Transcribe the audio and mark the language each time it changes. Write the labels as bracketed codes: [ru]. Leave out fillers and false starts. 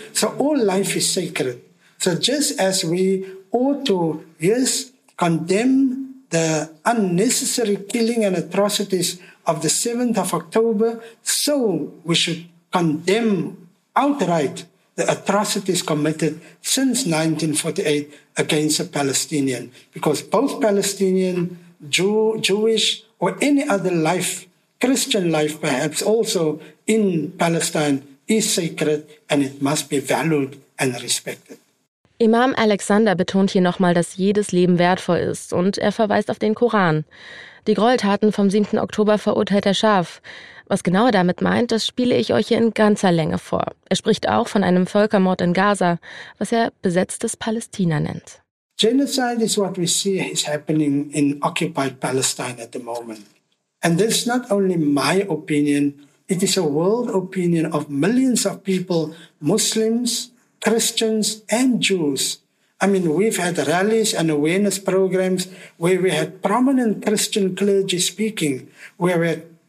[en] So all life is sacred. So just as we ought to, yes, condemn the unnecessary killing and atrocities of the 7th of October, so we should condemn outright the atrocities committed since 1948 against a Palestinian. Because both Palestinian, Jewish, or any other life, Christian life perhaps also in Palestine, is sacred and it must be valued and respected. [de] Imam Alexander betont hier nochmal, dass jedes Leben wertvoll ist und er verweist auf den Koran. Die Gräueltaten vom 7. Oktober verurteilt er scharf. Was genau er damit meint, das spiele ich euch hier in ganzer Länge vor. Er spricht auch von einem Völkermord in Gaza, was er besetztes Palästina nennt. [en] Genocide is what we see is happening in occupied Palestine at the moment. And this is not only my opinion, it is a world opinion of millions of people, Muslims, Christians and Jews. I mean, we've had rallies and awareness programs where we had prominent Christian clergy speaking, where we had